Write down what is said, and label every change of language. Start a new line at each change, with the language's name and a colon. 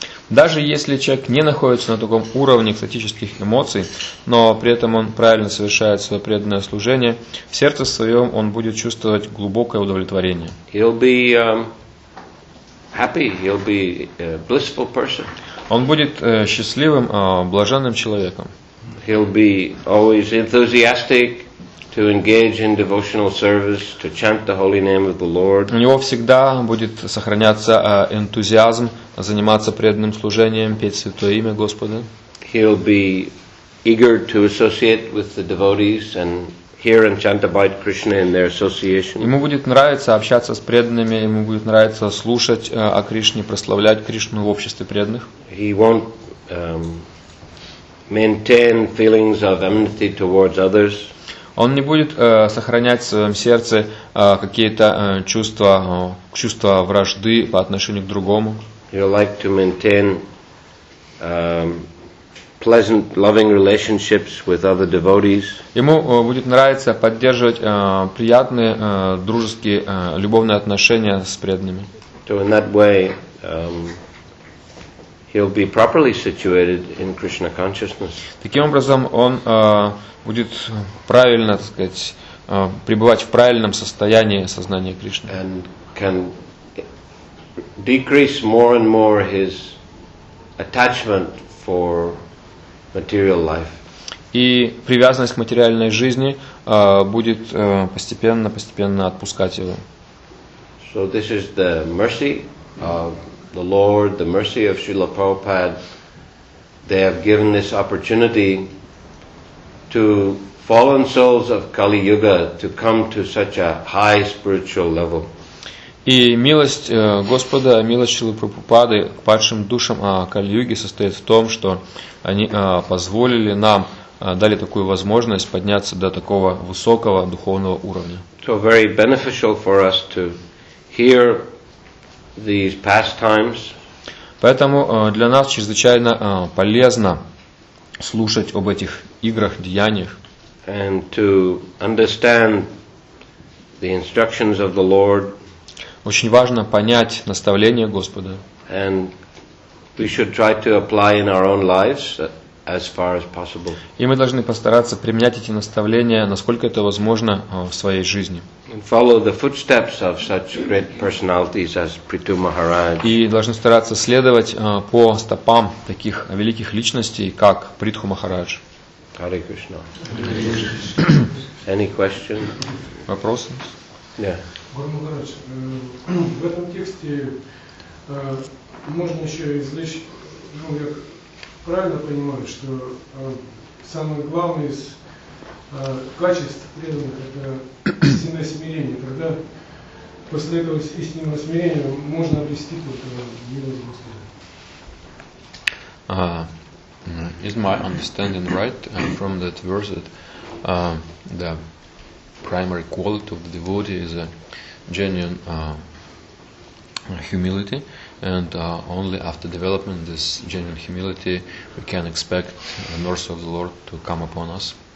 Russian: Даже если человек не находится на таком уровне экстатических эмоций, но при этом он правильно совершает свое преданное служение, в сердце своем он будет чувствовать глубокое удовлетворение.
English: He'll be happy, he'll be a blissful person.
Russian: Он будет счастливым, блаженным человеком.
English: He'll be always enthusiastic to engage in devotional service, to chant the holy name of the Lord.
Russian: У него всегда будет сохраняться энтузиазм заниматься преданным служением, петь святое имя Господа.
English: He'll be eager to associate with the devotees and hear and chant about Krishna in their association.
Russian: Ему будет нравиться общаться с преданными, ему будет нравиться слушать о Кришне, прославлять Кришну в обществе преданных.
English: He won't maintain feelings of enmity towards others.
Russian: Он не будет сохранять в своем сердце какие-то чувства, чувства вражды по отношению к другому.
English: He'll like to maintain pleasant, loving relationships with other devotees.
Russian: Ему будет нравиться поддерживать приятные, дружеские, любовные отношения с преданными.
English: So in that way, he'll be properly situated in Krishna consciousness.
Russian: Таким образом, он будет правильно, так сказать, пребывать в правильном состоянии сознания Кришны.
English: And can decrease more and more his attachment for material life.
Russian: И привязанность к материальной жизни будет постепенно отпускать его.
English: So this is the mercy of the Lord, the mercy of Srila Prabhupada. They have given this opportunity to fallen souls of Kali Yuga to come to such a high spiritual level.
Russian: И милость Господа, милость Шрилы Прабхупады к падшим душам Кали-юги состоит в том, что они позволили нам, дали такую возможность подняться до такого высокого духовного уровня.
English: So very beneficial for us to hear these pastimes.
Russian: Поэтому для нас чрезвычайно полезно слушать об этих играх, деяниях.
English: And to understand the instructions of the Lord.
Russian: Очень важно понять наставления Господа.
English: And we should try to apply in our own lives as far as possible.
Russian: И мы должны постараться применять эти наставления, насколько это возможно, в своей жизни.
English: And follow the footsteps of such great personalities as Prithu Maharaj.
Russian: И должны стараться следовать по стопам таких великих личностей, как Притху Махарадж.
English: Hare Krishna. Any question?
Russian: Вопросы? Yeah. Гуру Махарадж, в этом тексте можно еще извлечь, ну, я правильно понимаю, что самое главное из качеств преданных – это истинное смирение. Когда после этого истинного смирения можно обрести только милость Господа.
English: Is my understanding right from that verse that the primary quality of the devotee is a genuine humility, and only after developing this genuine humility we can expect the mercy of the Lord to come upon us?